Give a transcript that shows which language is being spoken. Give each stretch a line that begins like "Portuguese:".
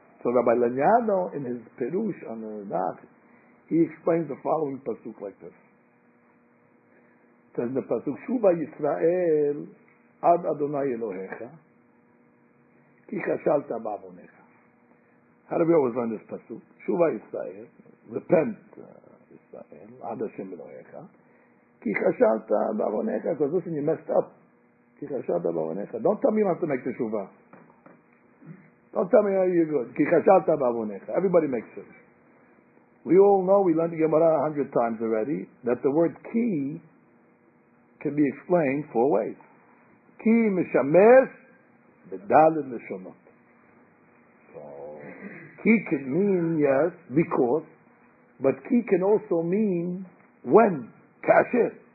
English: So Rabbi Lanyano, in his Perush on the Nach, he explains the following pasuk like this. It says in the pasuk,
Hebrew: Shuba Yisrael ad Adonai Elohecha.
English: How do we always learn this pasuk?
Hebrew: Shuvah Yisrael,
English: repent,
Hebrew: ישראל, עד השם אלוהיך, כי חשבת בעווניך, כזו שאני
English: messed up,
Hebrew: כי חשבת בעווניך,
English: don't tell me not to make the
Hebrew: תשובה.
English: Don't tell me how you're good,
Hebrew: כי חשבת בעווניך,
English: everybody makes it. We all know, we learned the Gemara 100 times already, that the word ki can be explained 4 ways.
Hebrew: Ki mishamesh bedalet lishonot.
English: So, ki can mean, yes, because, but ki can also mean when, kasher.